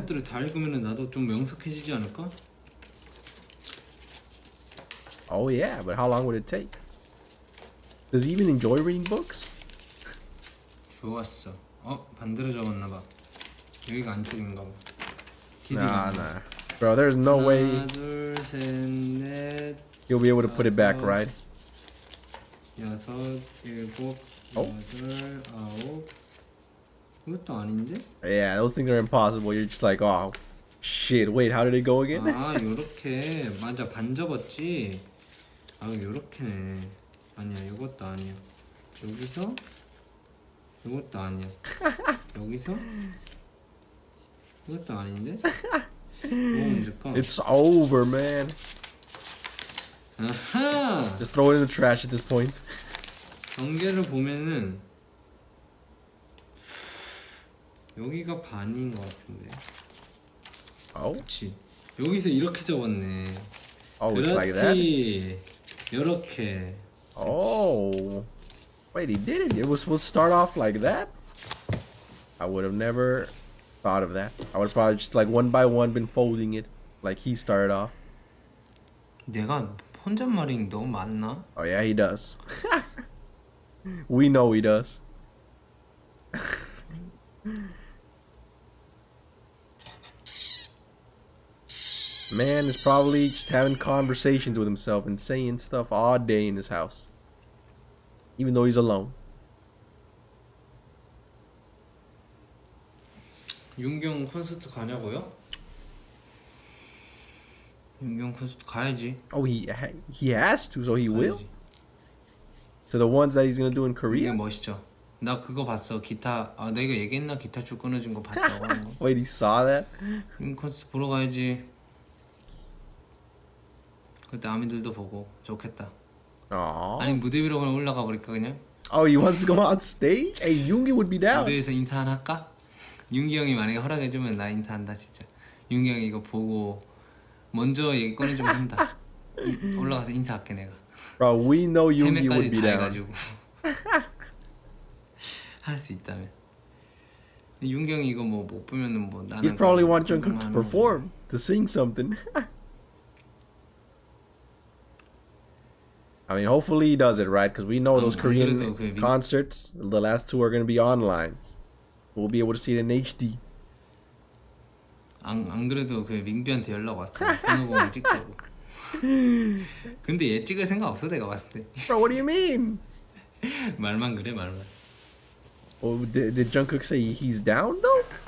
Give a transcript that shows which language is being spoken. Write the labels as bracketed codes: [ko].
[ko] 것들을 다 읽으면 나도 좀 명석해지지 않을까? [en] Oh yeah, but how long would it take? Does he even enjoy reading books? [ko] 좋았어. 어? 반대로 접었나 봐. 여기가 안쪽인가 봐. 길이가 안 돼. [en] Bro, there's no [ko] 하나, [en] way [ko] 둘, 셋, 넷, [en] he'll be able to put [ko] 다섯, [en] it back, right? [ko] 여섯, 일곱, 여덟, 아홉 그것도 아닌데? [en] Yeah, those things are impossible. You're just like, oh, shit. Wait, how did it go again? [ko] 아, 요렇게. 맞아, 반 접었지? 아, 요렇게네. 아니야, 요것도 아니야. 여기서? 요것도 아니야. 여기서? 이것도 아닌데? 뭐 문제일까? [en] It's over, man. 아하! Just throw it in the trash at this point. [ko] 경계를 보면은 여기가 반인 것 같은데. 아우. 그치. 여기서 이렇게 접었네. [en] Oh, [ko] 그렇지. [en] it's like that? [ko] 요렇게. [en] Oh. Wait, he did it. It was supposed to start off like that? I would have never thought of that. I would have probably just like one by one been folding it like he started off. [ko] 내가 혼잣말이 너무 많나? [en] Oh yeah, he does. We know he does. Man is probably just having conversations with himself and saying stuff all day in his house. Even though he's alone. [ko] 윤경 콘서트 가냐고요? 윤경 콘서트 가야지. [en] Oh, he has to, so he [ko] 가야지. [en] Will? So the ones that he's gonna do in Korea? [ko] 이게 멋있죠. 나 그거 봤어. 기타. 아, 내가 이거 얘기했나? 기타 줄 끊어진 거 봤다고 하는 거. [en] Wait, he saw that? [ko] 윤경 콘서트 보러 가야지. 그때 아미들도 보고 좋겠다. Aww. 아니 무대 위로 그냥 올라가 버릴까 그냥? [en] Oh, he wants to come on stage? Hey, Yoongi would be down. [ko] 무대에서 인사 하나 할까? 윤기 형이 만약에 허락해 주면 나 인사한다 진짜. 윤기 형이 이거 보고 먼저 얘기 꺼내 좀 한다. 올라가서 인사할게 내가. [en] Bro, we know Yoongi would be down. [ko] 해가지고 할 수 있다면. 윤기 형이 이거 뭐 못 보면은 뭐 나는. [en] He probably wants Jungkook to perform, to sing something. I mean, hopefully he does it, right? Because we know those Korean concerts, the last two are going to be online. We'll be able to see it in HD. [ko] 안 그래도 그 민규한테 연락 왔어. 손오공 찍자고. 근데 얘 찍을 생각 없어, 내가 봤을 때. [en] Bro, what do you mean? [ko] 말만 그래, 말만. [en] Well, did Jungkook say he's down, though?